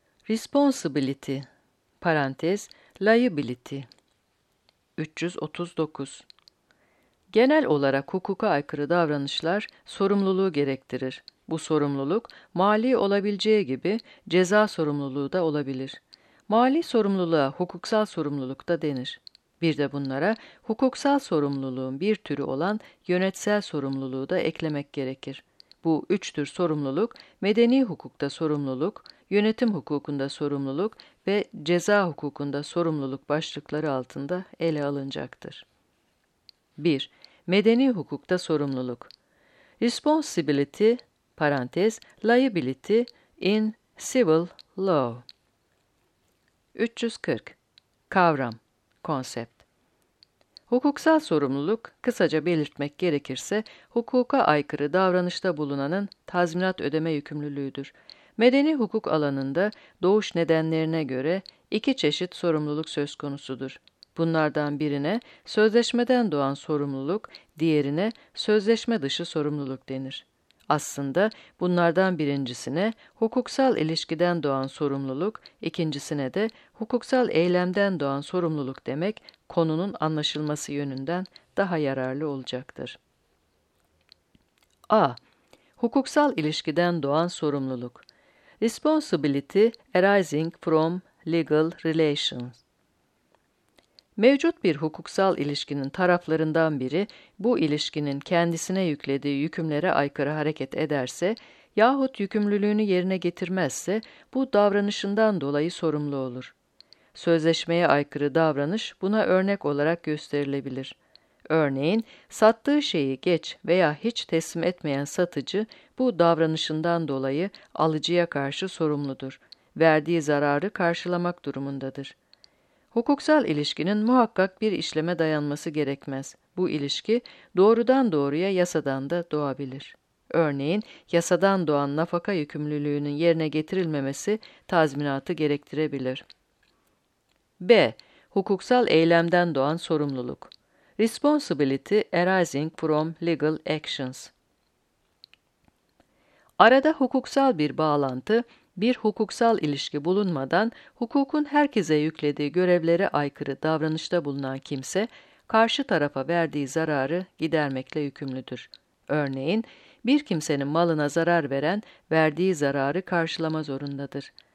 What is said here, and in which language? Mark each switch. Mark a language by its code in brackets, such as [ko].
[en] Responsibility, [tr] parantez, [en] liability. 339. [tr] Genel olarak hukuka aykırı davranışlar sorumluluğu gerektirir. Bu sorumluluk mali olabileceği gibi ceza sorumluluğu da olabilir. Mali sorumluluğa hukuksal sorumluluk da denir. Bir de bunlara hukuksal sorumluluğun bir türü olan yönetsel sorumluluğu da eklemek gerekir. Bu üç tür sorumluluk, medeni hukukta sorumluluk, yönetim hukukunda sorumluluk ve ceza hukukunda sorumluluk başlıkları altında ele alınacaktır. 1. Medeni hukukta sorumluluk. [en] Responsibility, [tr] parantez, [en] liability in civil law. [tr] 340. Kavram, konsept. Hukuksal sorumluluk, kısaca belirtmek gerekirse, hukuka aykırı davranışta bulunanın tazminat ödeme yükümlülüğüdür. Medeni hukuk alanında doğuş nedenlerine göre iki çeşit sorumluluk söz konusudur. Bunlardan birine sözleşmeden doğan sorumluluk, diğerine sözleşme dışı sorumluluk denir. Aslında bunlardan birincisine hukuksal ilişkiden doğan sorumluluk, ikincisine de hukuksal eylemden doğan sorumluluk demek konunun anlaşılması yönünden daha yararlı olacaktır. A. Hukuksal ilişkiden doğan sorumluluk. [en] Responsibility arising from legal relations. [tr] Mevcut bir hukuksal ilişkinin taraflarından biri, bu ilişkinin kendisine yüklediği yükümlere aykırı hareket ederse yahut yükümlülüğünü yerine getirmezse bu davranışından dolayı sorumlu olur. Sözleşmeye aykırı davranış buna örnek olarak gösterilebilir. Örneğin, sattığı şeyi geç veya hiç teslim etmeyen satıcı bu davranışından dolayı alıcıya karşı sorumludur. Verdiği zararı karşılamak durumundadır. Hukuksal ilişkinin muhakkak bir işleme dayanması gerekmez. Bu ilişki doğrudan doğruya yasadan da doğabilir. Örneğin, yasadan doğan nafaka yükümlülüğünün yerine getirilmemesi tazminatı gerektirebilir. B. Hukuksal eylemden doğan sorumluluk. [en] Responsibility arising from legal actions. [tr] Arada hukuksal bir bağlantı, bir hukuksal ilişki bulunmadan hukukun herkese yüklediği görevlere aykırı davranışta bulunan kimse, karşı tarafa verdiği zararı gidermekle yükümlüdür. Örneğin, bir kimsenin malına zarar veren, verdiği zararı karşılama zorundadır.